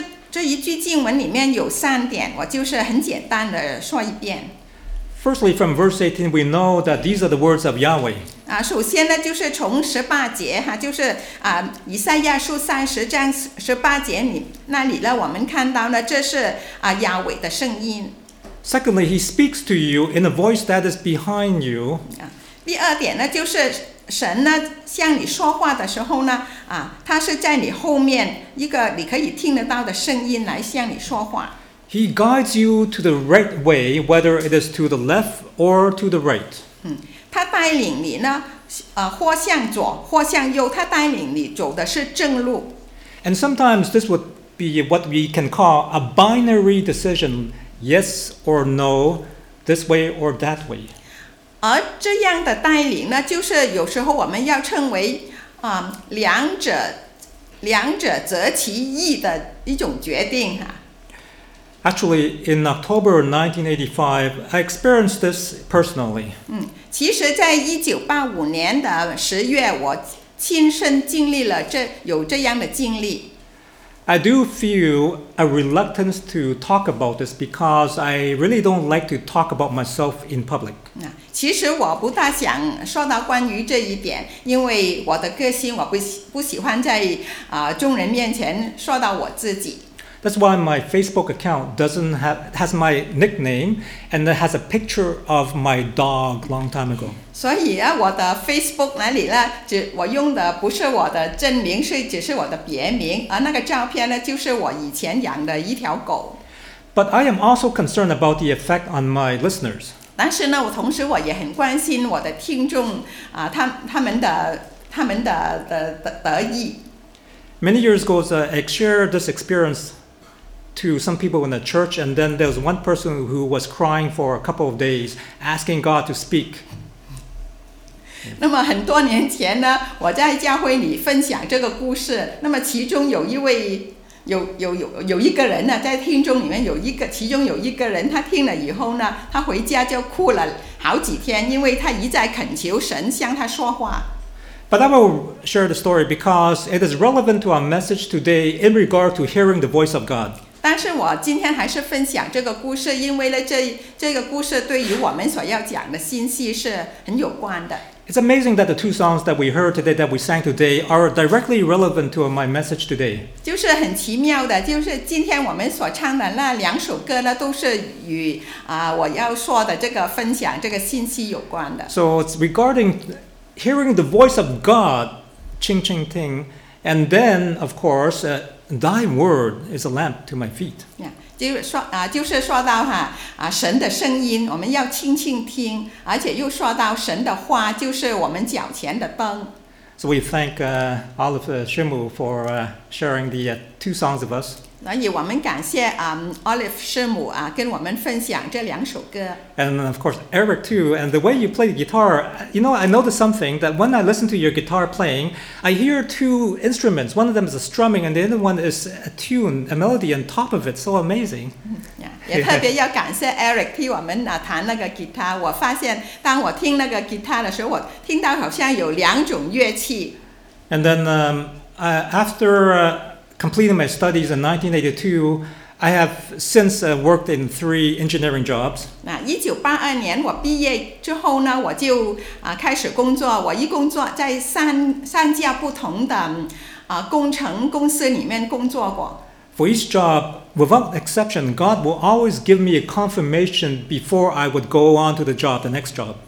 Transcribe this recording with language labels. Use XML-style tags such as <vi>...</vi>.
<zh>这一句经文里面有三点，我就是很简单的说一遍。</zh> <en>Firstly, from verse 18, we know that these are the words of Yahweh.</en> <zh>首先呢，就是从十八节哈，就是以赛亚书30:18那里呢，我们看到呢，这是亚伟的声音。</zh> <en>Secondly, he speaks to you in a voice that is behind you.</en> <zh>第二点呢，就是神呢向你说话的时候呢，他是在你后面一个你可以听得到的声音来向你说话。</zh> <en>He guides you to the right way, whether it is to the left or to the right.</en> <zh>他带领你呢，或向左或向右，他带领你走的是正路。</zh> <en>And sometimes this would be what we can call a binary decision, yes or no, this way or that way.</en> <zh>而这样的带领呢，就是有时候我们要称为两者择其一的一种决定啊。</zh> <en>Actually, in October 1985, I experienced this personally.</en> <zh>其实在1985年的十月，我亲身经历了这样的经历。</zh> <en>I do feel a reluctance to talk about this because I really don't like to talk about myself in public.</en> <zh>其实我不大想说到关于这一点，因为我的个性我不喜欢在众人面前说到我自己。</zh> <en>That's why my Facebook account has my nickname and it has a picture of my dog long time ago.</en> <zh>所以啊，我的 Facebook 那里呢，只我用的不是我的真名，只是我的别名，而那个照片呢，就是我以前养的一条狗。</zh> <en>But I am also concerned about the effect on my listeners.</en> <zh>但是呢，我同时我也很关心我的听众他们的得意。</zh> <en>Many years ago, I shared this experience. To some people in the church, and then there was one person who was crying for a couple of days, asking God to speak.</en> <zh>那么很多年前呢，我在教会里分享这个故事。那么其中有一位有一个人呢，在听众里面有一个，其中有一个人，他听了以后呢，他回家就哭了好几天，因为他一再恳求神向他说话。</zh> <en>But I will share the story because it is relevant to our message today in regard to hearing the voice of God.</en> <zh>但是我今天还是分享这个故事，因为呢这个故事对于我们所要讲的信息是很有关的。</zh> <en>It's amazing that the two songs that we heard today, that we sang today, are directly relevant to my message today.</en> <zh>就是很奇妙的，就是今天我们所唱的那两首歌呢，都是与我要说的这个分享这个信息有关的。</zh> <en>So it's regarding hearing the voice of God, Ching Ching Ting, and then, of course, Thy word is a lamp to my feet. Yeah.</en> <zh>就是说到神的声音我们要轻轻听，而且又说到神的话就是我们脚前的灯。</zh> <en>So we thank Oliver Shimu for sharing the two songs of us.</en> <zh>所以我们感谢Oliver Shimu跟我们分享这两首歌。</zh> <en>And of course Eric too, and the way you play the guitar, you know, I noticed something that when I listen to your guitar playing, I hear two instruments. One of them is a strumming and the other one is a tune, a melody on top of it. So amazing. Yeah.</en> <zh>也特别要感谢 Eric 替我们弹那个吉他，我发现当我听那个吉他的时候，我听到好像有两种乐器。</zh> <en>And then after completing my studies in 1982, I have since worked in three engineering jobs.</en> <zh>1982年我毕业之后呢，我就开始工作，我一工作在三家不同的工程公司里面工作过。</zh> <en>For each job, without exception, God will always give me a confirmation before I would go on to the job, the next job.</en>